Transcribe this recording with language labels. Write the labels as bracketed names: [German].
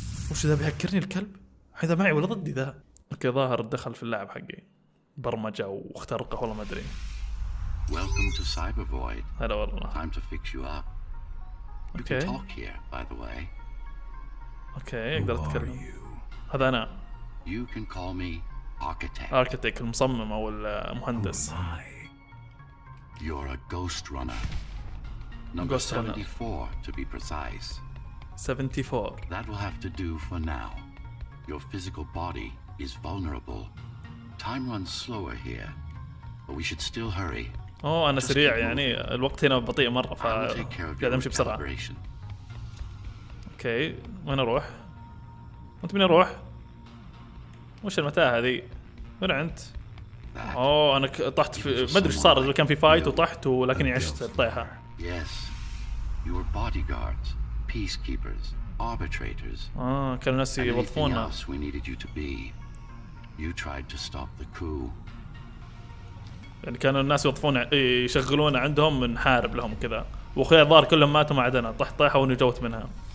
[Arabic] وش ذا بيهكرني الكلب؟ هذا معي ولا ضدي ذا؟ اوكي ظاهر دخل في اللعب حقي. برمجة واخترقه والله ما ادري. [English] Welcome to Cyber Void. [Arabic] هلا والله. [English] Time to fix you up. You okay. can talk here, by the way. Okay. [Arabic] Who اقدر اتكلم. [English] Are you? [Arabic] هذا انا. [English] You can call me Architect. [Arabic] Architect المصمم او المهندس. [English] Who am I? You're a ghost runner. Number 74 to be precise. 74. That will have to do for now. Your physical body is vulnerable. Time runs slower here. But we should still hurry. [Arabic] أوه أنا سريع يعني الوقت هنا بطيء مرة فقاعد أمشي بسرعة. أوكي وين أروح؟ أنت من أروح؟ وش المتاهة هذه؟ وين أنت؟ أوه أنا طحت في ما أدري إيش صار إذا كان في فايت وطحت ولكني عشت الطيحة. [English] Yes, your bodyguards, peacekeepers, arbitrators. [Arabic] كانوا ناس يوظفونا. [English] Anything else we needed you to be? You tried to stop the coup. [Arabic] يعني كانوا الناس يوظفون يشغلون عندهم نحارب لهم كذا واخويا الظاهر كلهم ماتوا ما عدا انا طحت طيحه ونجوت منها.